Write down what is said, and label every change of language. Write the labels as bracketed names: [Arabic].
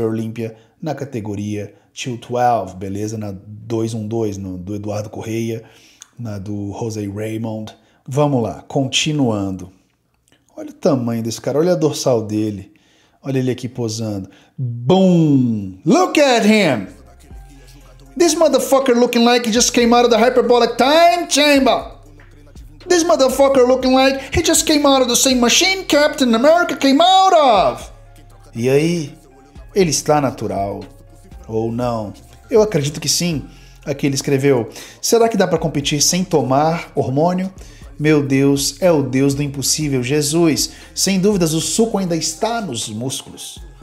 [Portuguese] Olympia na categoria 212, beleza? Na 212, no, do Eduardo Correia, na do Jose Raymond. Vamos lá, continuando. Olha o tamanho desse cara, olha a dorsal dele. Olha ele aqui posando. Boom! [English] Look at him! This motherfucker looking like he just came out of the hyperbolic time chamber! This motherfucker looking like he just came out of the same machine Captain America came out of! [Portuguese] E aí, ele está natural ou não? Eu acredito que sim. Aqui ele escreveu, será que dá para competir sem tomar hormônio? Meu Deus, é o Deus do impossível, Jesus. Sem dúvidas, o suco ainda está nos músculos.